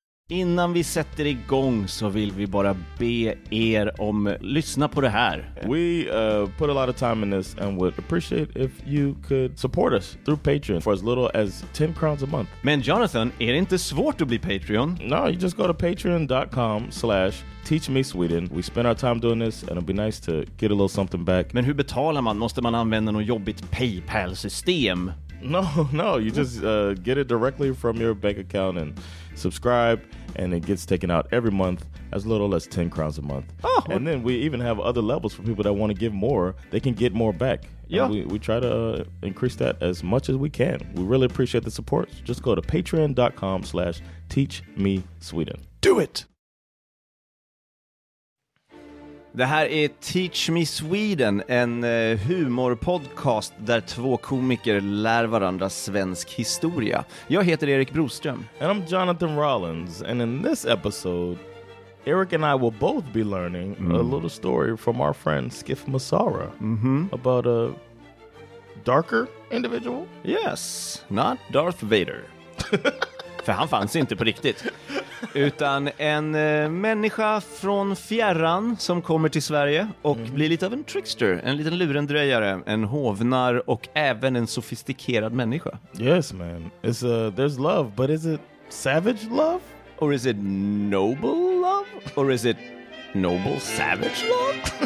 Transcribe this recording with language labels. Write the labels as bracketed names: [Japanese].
[Swedish] Innan vi sätter igång så vill vi bara be er om lyssna på det här. [English] We put a lot of time in this and would appreciate if you could support us through Patreon for as little as 10 crowns a month. [Swedish] Men Jonathan, är det inte svårt att bli Patreon? [English] No, you just go to patreon.com/teachmesweden. We spend our time doing this and it'll be nice to get a little something back. [Swedish] Men hur betalar man? Måste man använda något jobbigt PayPal-system? [English] No, you just get it directly from your bank account and subscribe, and it gets taken out every month as little as 10 crowns a month. Oh, and then we even have other levels for people that want to give more. They can get more back. Yeah. We try to increase that as much as we can. We really appreciate the support. Just go to patreon.com/teachmesweden. Do it! [Swedish] Det här är Teach Me Sweden, en humorpodcast där två komiker lär varandra svensk historia. Jag heter Erik Broström. [English] And I'm Jonathan Rollins. And in this episode, Erik and I will both be learning a little story from our friend Skiff Massara about a darker individual. Yes, not Darth Vader. [Swedish] För han fanns inte på riktigt. Utan en människa från fjärran som kommer till Sverige och blir lite av en trickster, en liten lurendrejare, en hovnar och även en sofistikerad människa. [English] Yes man, it's there's love, but is it savage love? Or is it noble love? Or is it noble savage love?